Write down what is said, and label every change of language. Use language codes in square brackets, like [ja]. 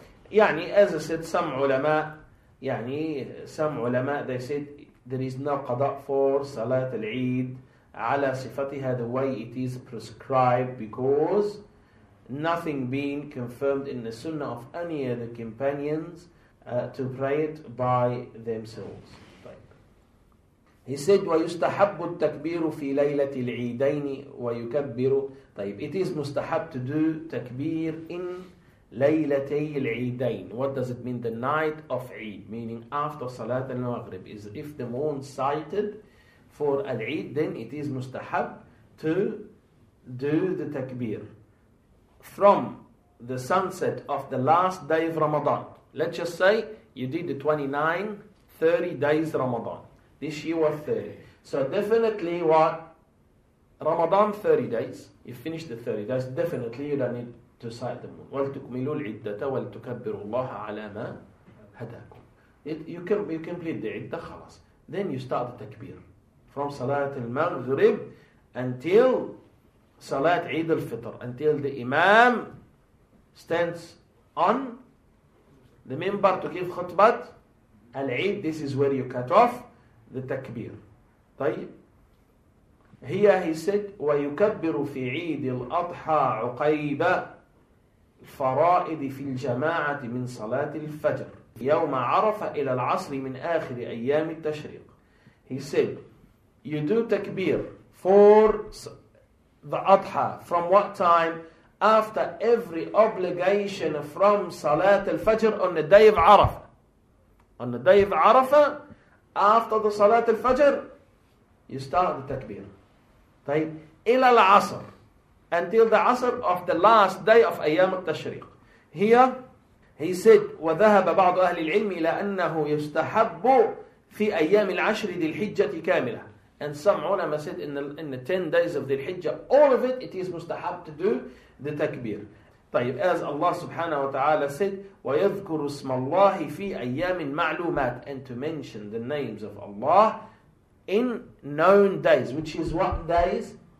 [en] يعني, as I said, some ulama, they said, there is no qada for Salat al-Eid [ar] على صفتها, [en] the way it is prescribed, because nothing being confirmed in the sunnah of any of the companions to pray it by themselves. He said, [ar] وَيُسْتَحَبُّ التَّكْبِيرُ فِي لَيْلَةِ الْعِيدَيْنِ وَيُكَبِّرُ. [en] طيب, it is mustahab to do takbir in [ar] لَيْلَتَي الْعِيدَيْنِ. [en] What does it mean? The night of Eid, meaning after Salat al-Maghrib, is if the moon sighted for al-Eid, then it is mustahab to do the takbir from the sunset of the last day of Ramadan. Let's just say you did the 30 days Ramadan. This year was 30. So definitely what? Ramadan 30 days. You finish the 30 days. Definitely you don't need to cite the moon. [ar] وَلْتُكْمِلُوا الْعِدَّةَ وَلْتُكَبِّرُوا اللَّهَ عَلَى مَا هَدَاكُمْ. [en] You complete the عِدَّةَ خلاص. Then you start the takbir. From Salat al-Maghrib until Salat Eid al-Fitr. Until the Imam stands on the minbar to give khutbat al-Eid. This is where you cut off the takbir. [ar] طيب. Here he said, وَيُكَبِّرُ فِي عِيدِ الْأَضْحَى عُقَيْبَ الْفَرَائِدِ فِي الْجَمَاعَةِ مِنْ صَلَاةِ الْفَجْرِ يَوْمَ عَرَفَ إِلَى الْعَصْرِ مِنْ آخِرِ أَيَّامِ التَّشْرِيقِ. [en] He said, you do takbir for the adha. From what time? After every obligation from Salat al-Fajr on the day of Arafah. On the day of Arafah, after the Salat al-Fajr, you start the takbir. طيب, [ar] إلى العصر, [en] until the Asr of the last day of Ayyam al-Tashriq. [ar] Here, he said, وَذَهَبَ بَعْضُ أَهْلِ الْعِلْمِ إِلَى أَنَّهُ يُسْتَحَبُّ فِي أَيَّامِ الْعَشْرِ ذِي الْحِجَّةِ كَامِلَةِ. [en] And some ulama said, in the 10 days of the Hijjah, all of it is mustahab to do the takbir. طيب, as Allah subhanahu wa ta'ala said, [ar] وَيَذْكُرُ اسْمَ اللَّهِ فِي أَيَّامٍ مَعْلُومَاتٍ, [en] and to mention the names of Allah in known days, which is what days?